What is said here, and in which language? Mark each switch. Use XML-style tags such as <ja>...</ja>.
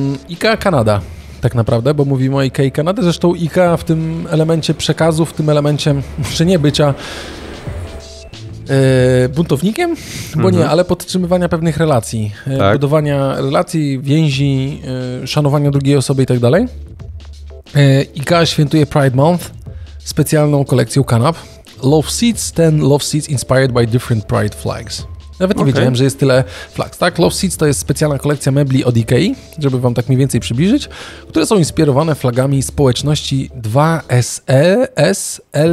<pl>IKEA Kanada, tak naprawdę, bo mówimy o IKEA Kanady. Zresztą IKEA w tym elemencie przekazu, w tym elemencie czy nie bycia buntownikiem, bo nie, ale podtrzymywania pewnych relacji. Tak. Budowania relacji, więzi, szanowania drugiej osoby i tak dalej. IKEA świętuje Pride Month specjalną kolekcją kanap.</pl> <en>Love Seats, 10 Love Seats inspired by different Pride flags.</en> <pl>Nawet nie wiedziałem, że jest tyle flags, tak? Love Seats to jest specjalna kolekcja mebli od IKEA, żeby wam tak mniej więcej przybliżyć, które są inspirowane flagami społeczności 2SLGBTQ+.</pl>